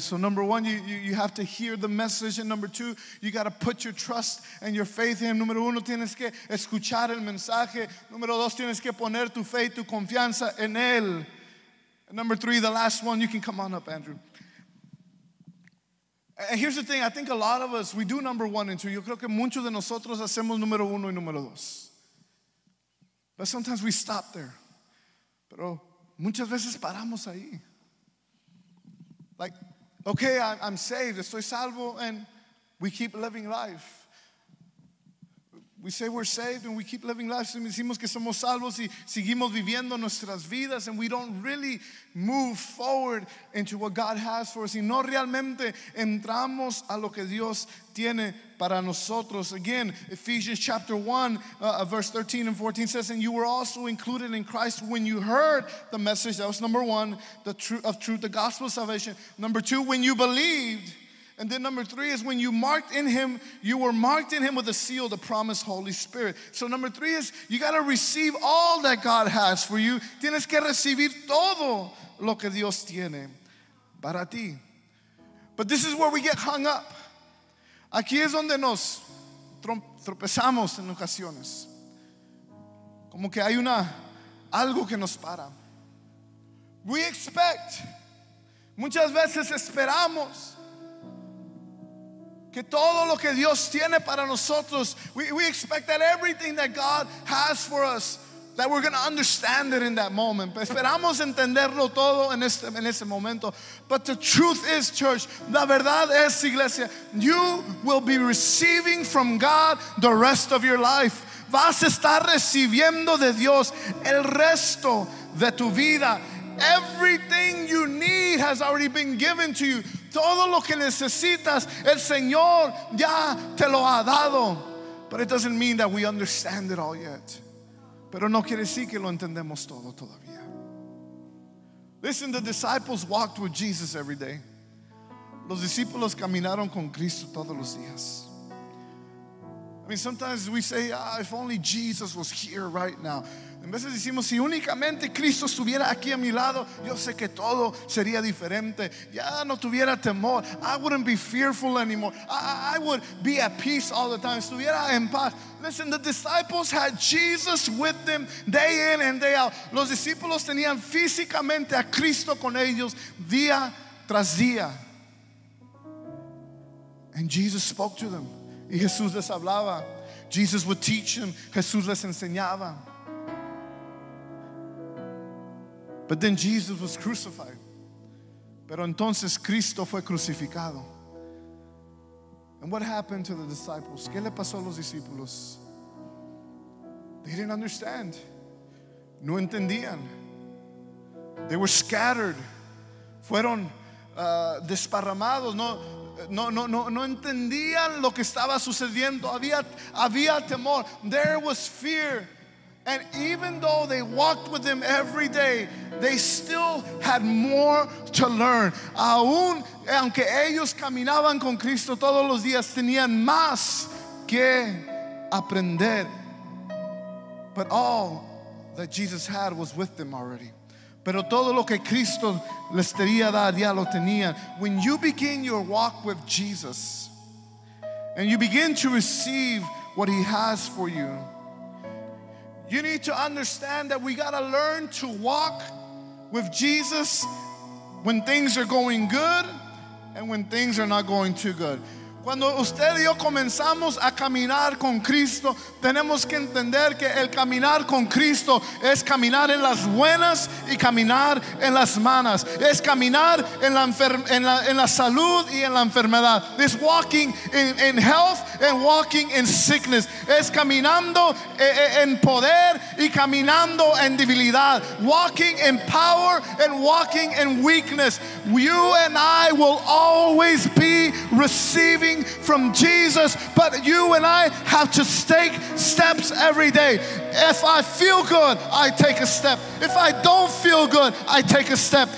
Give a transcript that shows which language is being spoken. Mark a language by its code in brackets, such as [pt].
[en] So number one, you have to hear the message. And number two, you got to put your trust and your faith in him. [es] Número uno, tienes que escuchar el mensaje. Número dos, tienes que poner tu fe y tu confianza en él. [en] And number three, the last one, you can come on up, Andrew. And here's the thing, I think a lot of us, we do number one and two. [es] Yo creo que muchos de nosotros hacemos número uno y número dos. [en] But sometimes we stop there. [es] Pero muchas veces paramos ahí. [en] Like, okay, I'm saved, [es] estoy salvo, [en] and we keep living life. We say we're saved and we keep living life. [es] Decimos que somos salvos y seguimos viviendo nuestras vidas, [en] and we don't really move forward into what God has for us. [es] Y no realmente entramos a lo que Dios tiene para nosotros. [en] Again, Ephesians chapter 1, verse 13 and 14 says, and you were also included in Christ when you heard the message. That was number one, the truth, the gospel of salvation. Number two, when you believed. And then number three is when you marked in him, you were marked in him with a seal, the promised Holy Spirit. So number three is you got to receive all that God has for you. [es] Tienes que recibir todo lo que Dios tiene para ti. [en] But this is where we get hung up. [es] Aquí es donde nos tropezamos en ocasiones. Como que hay algo que nos para. [en] We expect. [es] Muchas veces esperamos que todo lo que Dios tiene para nosotros, [en] we expect that everything that God has for us that we're going to understand it in that moment. [es] Esperamos entenderlo todo en ese momento. [en] But the truth is, church, [es] la verdad es, iglesia, [en] you will be receiving from God the rest of your life. [es] Vas a estar recibiendo de Dios el resto de tu vida. [en] Everything you need has already been given to you. [es] Todo lo que necesitas, el Señor ya te lo ha dado. [en] But it doesn't mean that we understand it all yet. [es] Pero no quiere decir que lo entendemos todo todavía. [en] Listen, the disciples walked with Jesus every day. [es] Los discípulos caminaron con Cristo todos los días. [en] I mean, sometimes we say, ah, if only Jesus was here right now. [es] En veces decimos, si únicamente Cristo estuviera aquí a mi lado, yo sé que todo sería diferente. Ya no tuviera temor. [en] I wouldn't be fearful anymore. I would be at peace all the time. [es] Estuviera en paz. [en] Listen, the disciples had Jesus with them day in and day out. [es] Los discípulos tenían físicamente a Cristo con ellos día tras día. [en] And Jesus spoke to them. [es] Y Jesús les hablaba. [en] Jesus would teach them. [es] Jesús les enseñaba. [en] But then Jesus was crucified. [es] Pero entonces Cristo fue crucificado. [en] And what happened to the disciples? [es] ¿Qué le pasó a los discípulos? [en] They didn't understand. [es] No entendían. [en] They were scattered. [es] Fueron desparramados. No entendían lo que estaba sucediendo. Había temor. [en] There was fear. And even though they walked with him every day, they still had more to learn. [es] Aún aunque ellos caminaban con Cristo todos los días, tenían más que aprender. [en] But all that Jesus had was with them already. [es] Pero todo lo que Cristo les quería dar ya lo tenían. [en] When you begin your walk with Jesus and you begin to receive what he has for you, you need to understand that we got to learn to walk with Jesus when things are going good and when things are not going too good. [es] Cuando usted y yo comenzamos a caminar con Cristo, tenemos que entender que el caminar con Cristo es caminar en las buenas y caminar en las malas. Es caminar en la salud y en la enfermedad. Es [en] walking in health and walking in sickness. [es] Es caminando en poder y caminando en debilidad. [en] Walking in power and walking in weakness. You and I will always be receiving from Jesus, but you and I have to take steps every day. If I feel good, I take a step. If I don't feel good, I take a step.